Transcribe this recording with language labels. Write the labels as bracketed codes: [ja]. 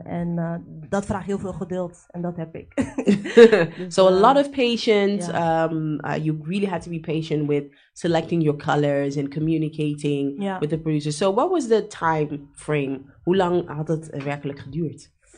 [nl] En dat vraagt heel veel geduld. En dat heb ik. [en] So a lot of patience. Yeah. You really had to be patient with selecting your colors and communicating yeah. with the producer. So what was the time frame? [nl] Hoe lang had het werkelijk geduurd?